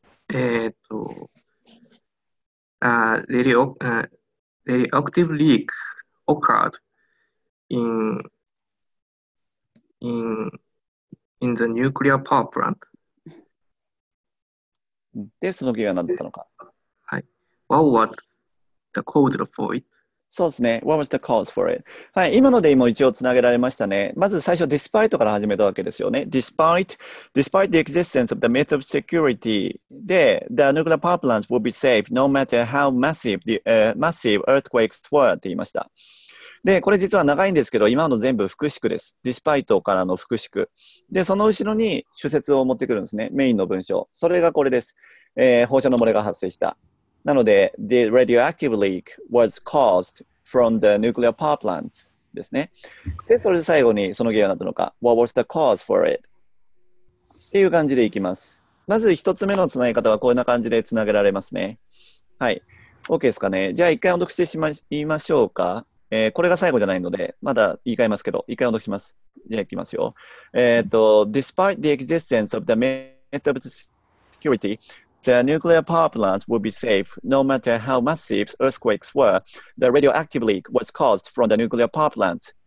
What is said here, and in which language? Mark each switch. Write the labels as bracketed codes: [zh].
[en] radioactive leak occurred in the nuclear power plant. [ja] で、その原因は何だったのか。 [en] はい。What was the cause for it? [ja] そうですね。 [en] What was the cause for it? はい。 [ja] 今のでも一応つなげられましたね。まず最初、despite から始めたわけですよね。 [en] despite the existence of the myth of security, the nuclear power plants will be safe no matter how massive the, massive earthquakes were [ja] って言いました。で、これ実は長いんですけど、今の全部副詞です。 despite からの副詞。で、その後ろに主節を持ってくるんですね。メインの文章。それがこれです。放射の漏れが発生した。なので、 [en] the radioactive leak was caused from the nuclear power plants ですね。 [ja] で、それで最後にその原因は何なのか。 [en] What was the cause for it? [ja] っていう感じでいきます。まず一つ目のつなぎ方はこんな感じでつなげられますね。はい。OK ですかね。じゃあ一回音読してしまい、言いましょうか。これが最後じゃないので、まだ言い換えますけど、一回音読します。じゃあいきますよ。 [en] despite the existence of the method of security,The nuclear power plants would be safe no matter how massive earthquakes were. The radioactive leak was caused from the nuclear power plants.